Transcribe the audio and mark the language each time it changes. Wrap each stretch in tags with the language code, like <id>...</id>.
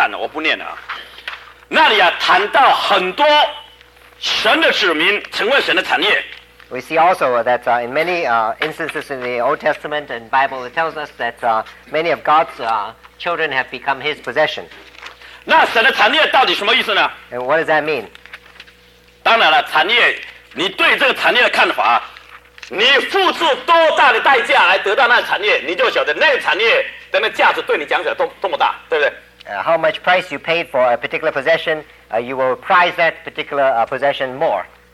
<zh>那同时啊,在旧约圣经里面,我大概没有时间给各位看,我只给一个看,我不念了。那里啊,谈到很多 神的子民成为神的产业</zh> <en>We see also that in many instances in the Old Testament and Bible it tells us that many of God's children have become his possession</en> <zh>那神的产业到底什么意思呢?</zh> <en>And what does that mean?</en> <zh>当然了,产业,你对这个产业的看法,你付出多大的代价来得到那个产业,你就晓得那个产业,那个价值对你讲起来多么大,对不对?</zh> <en>How much price you paid for a particular possession, you will prize that particular possession more.</en>